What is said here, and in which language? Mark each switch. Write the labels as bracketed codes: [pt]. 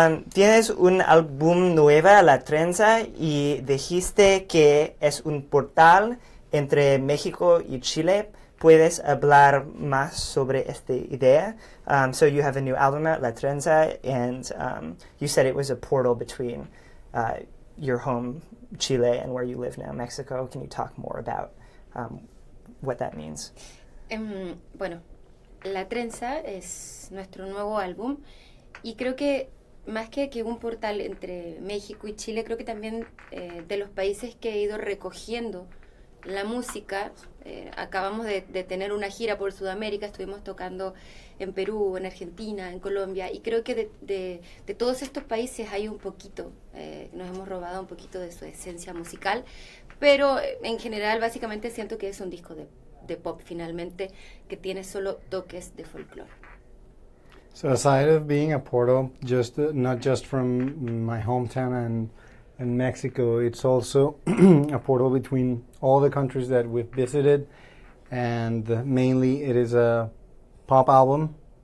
[es] Tienes un álbum nuevo, La Trenza, y dijiste que es un portal entre México y Chile. ¿Puedes hablar más sobre esta idea? [en] So you have a new album out, La Trenza, and you said it was a portal between your home, Chile, and where you live now, Mexico. Can you talk more about what that means? [es] Bueno, La Trenza es nuestro nuevo álbum, y creo que más que un portal entre México y Chile, creo que también de los países que he ido recogiendo la música. Acabamos de tener una gira por Sudamérica, estuvimos tocando en Perú, en Argentina, en Colombia, y creo que de todos estos países hay un poquito, nos hemos robado un poquito de su esencia musical, pero en general básicamente siento que es un disco de pop finalmente, que tiene solo toques de folclore. [en] So aside of being a portal, just not just from my hometown and Mexico, it's also a portal between all the countries that we've visited, and mainly it is a pop album,